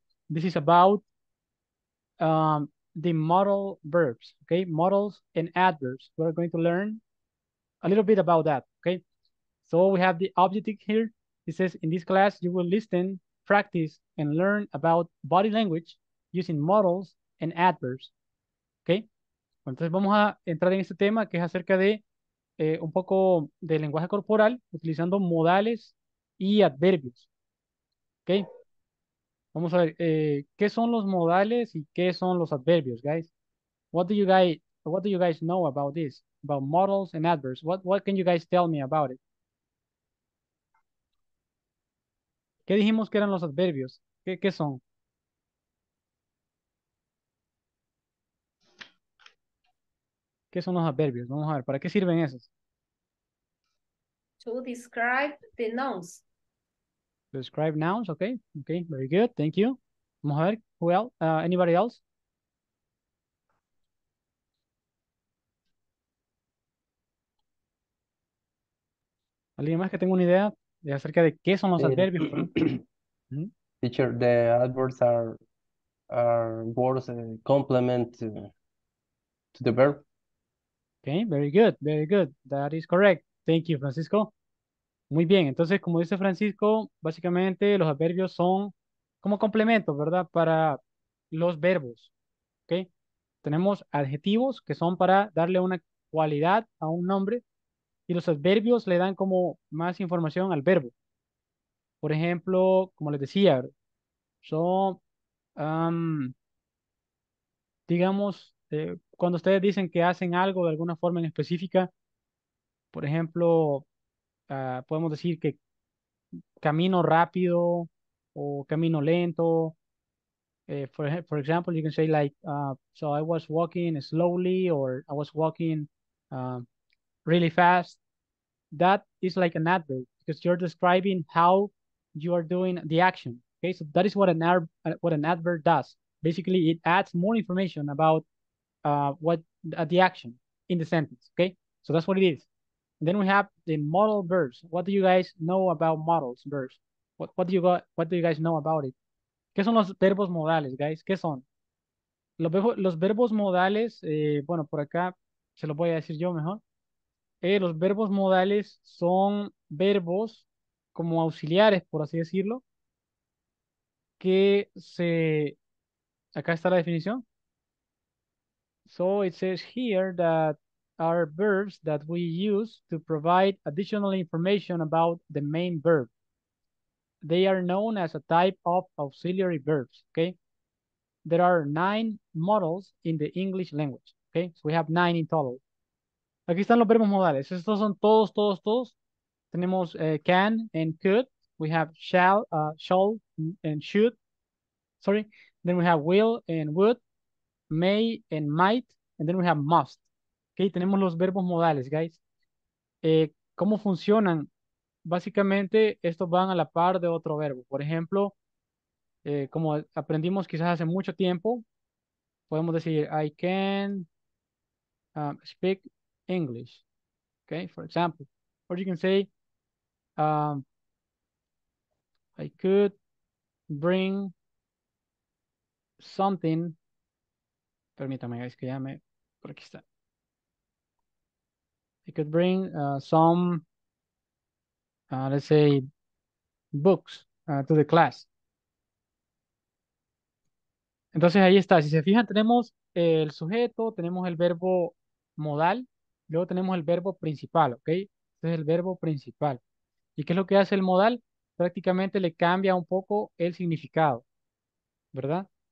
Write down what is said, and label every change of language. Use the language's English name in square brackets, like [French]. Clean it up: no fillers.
[English] This is about the modal verbs, okay? Models and adverbs. We are going to learn a little bit about that, okay? So we have the objective here. It says, in this class, you will listen, practice, and learn about body language using models and adverbs, okay? [Spanish] Bueno, entonces vamos a entrar en este tema que es acerca de un poco del lenguaje corporal utilizando modales y adverbios, okay? Vamos a ver, ¿qué son los modales y qué son los adverbios, guys? [English] What do you guys know about this? About models and adverbs? What can you guys tell me about it? [Spanish] ¿Qué dijimos que eran los adverbios? ¿Qué son? ¿Qué son los adverbios? Vamos a ver, ¿para qué sirven esos? [English] To describe the nouns. Describe nouns, okay. Okay, very good, thank you. [Spanish] Vamos a ver, [English] well, anybody else? [Spanish] ¿Alguien más que tenga una idea de acerca de qué son los adverbios? [English] Teacher, the adverbs are words that complement to the verb. Okay, very good, very good. That is correct. Thank you, Francisco. [Spanish] Muy bien, entonces, como dice Francisco, básicamente los adverbios son como complementos, ¿verdad? Para los verbos, ¿ok? Tenemos adjetivos que son para darle una cualidad a un nombre y los adverbios le dan como más información al verbo. Por ejemplo, como les decía, son, digamos, cuando ustedes dicen que hacen algo de alguna forma en específica, por ejemplo, podemos decir que camino rápido o camino lento. [English] For example, you can say like, so I was walking slowly or I was walking really fast. That is like an adverb because you're describing how you are doing the action. Okay, so that is what an adverb does. Basically, it adds more information about the action in the sentence. Okay, so that's what it is. Then we have the model verbs. What do you guys know about models verbs? What do you guys know about it? [Spanish] ¿Qué son los verbos modales, guys? ¿Qué son? Los verbos modales, bueno, por acá se los voy a decir yo mejor. Los verbos modales son verbos como auxiliares, por así decirlo, que se... Acá está la definición. [English] So it says here that are verbs that we use to provide additional information about the main verb. They are known as a type of auxiliary verbs, okay? There are 9 models in the English language, okay? So we have 9 in total. [Spanish] Aquí están los verbos modales. Estos son todos. Tenemos [English] can and could. We have shall and should. Sorry. Then we have will and would. May and might. And then we have must. [Spanish] Okay, tenemos los verbos modales, guys. ¿Cómo funcionan? Básicamente, estos van a la par de otro verbo. Por ejemplo, como aprendimos quizás hace mucho tiempo, podemos decir, [English] I can speak English. Okay, for example. Or you can say, I could bring something. [Spanish] Permítame, guys, que llame. Por aquí está. [English] I could bring some, let's say, books to the class. [Spanish] Entonces ahí está. Si se fijan, tenemos el sujeto, tenemos el verbo modal, luego tenemos el verbo principal, ¿ok? Este es el verbo principal. ¿Y qué es lo que hace el modal? Prácticamente le cambia un poco el significado, ¿verdad?